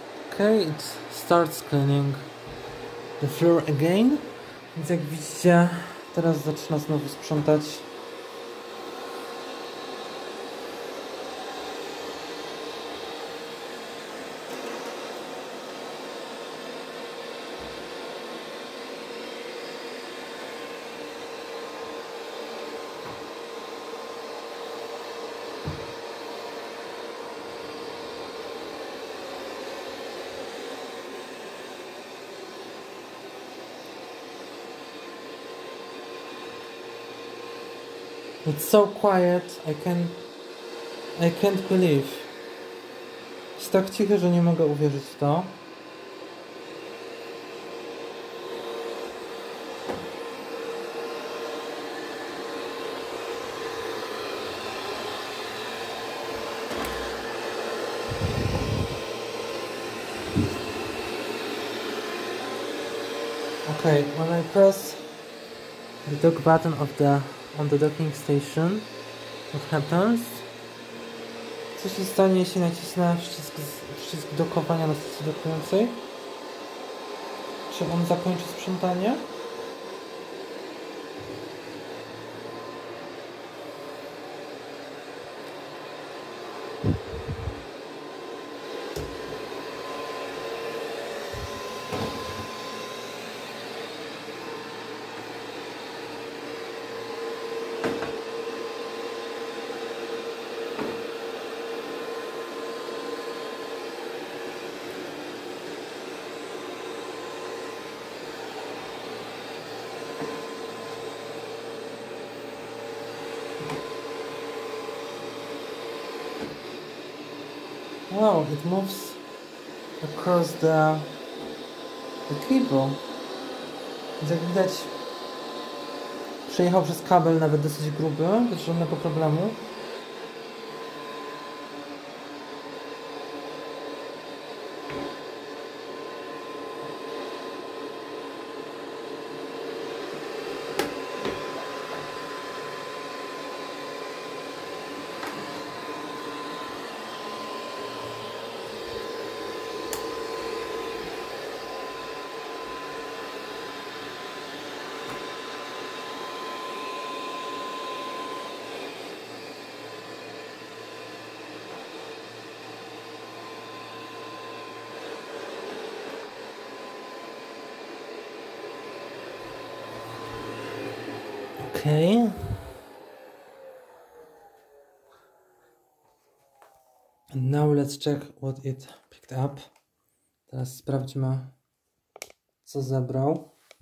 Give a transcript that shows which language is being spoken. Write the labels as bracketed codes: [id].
[en] Okay, it starts cleaning the floor again. [pl] Więc jak widzicie, teraz zaczyna znowu sprzątać. [en] It's so quiet, I can't believe. [pl] Jest tak cicho, że nie mogę uwierzyć w to. [en] Okay, when I press the dock button of the on the docking station, what happens? [pl] Co się stanie, jeśli nacisnę przycisk dokowania na stacji dokującej? Czy on zakończy sprzątanie? [en] Wow, it moves across the cable. [pl] Jak widać, przejechał przez kabel nawet dosyć gruby, bez żadnego problemu. [en] Okay. And now let's check what it picked up. [pl] Teraz sprawdźmy, co zabrał.